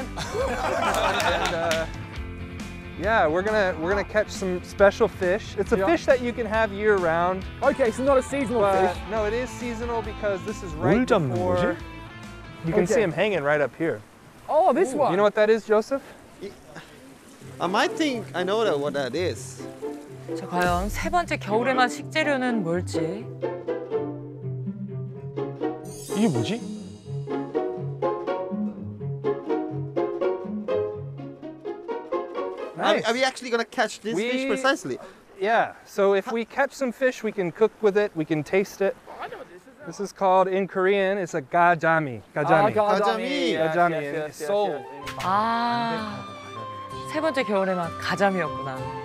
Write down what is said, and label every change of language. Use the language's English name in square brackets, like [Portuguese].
[English] And yeah, we're gonna catch some special fish. It's a fish that you can have year round. Okay, so not a seasonal fish. No, it is seasonal because this is right before. You can see him hanging right up here. Oh, this one. You know what that is, Joseph? I might think I know what that is. [Korean] 자, 과연 세 번째 겨울의 맛 식재료는 뭘지? 이게 뭐지? 네. [English] Are we actually going to catch this fish precisely? Yeah. So if we catch some fish, we can cook with it, we can taste it. Oh, I know what this is. This is called in Korean, it's a gajami. Gajami. Gajami. Gajami. So. 아. [Korean] 세 번째 겨울의 맛 가자미였구나.